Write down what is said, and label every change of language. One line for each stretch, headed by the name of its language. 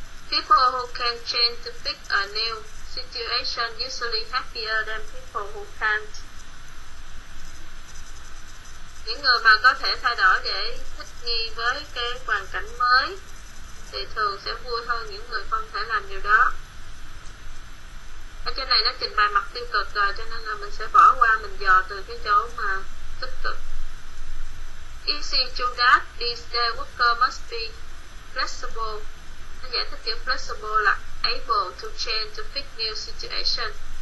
English: People who can change to pick a new situation usually happier than people who can't.
Vietnamese: Những người mà có thể thay đổi để thích nghi với cái hoàn cảnh mới thì thường sẽ vui hơn những người không thể làm điều đó. Ở trên này nó trình bày mặt tiêu cực rồi, cho nên là mình sẽ bỏ qua, mình dò từ cái chỗ mà tích cực.
English: Easy to adapt, these day workers must be flexible.
Vietnamese: Nó giải thích kiểu flexible là
English: able to change to fit new situation.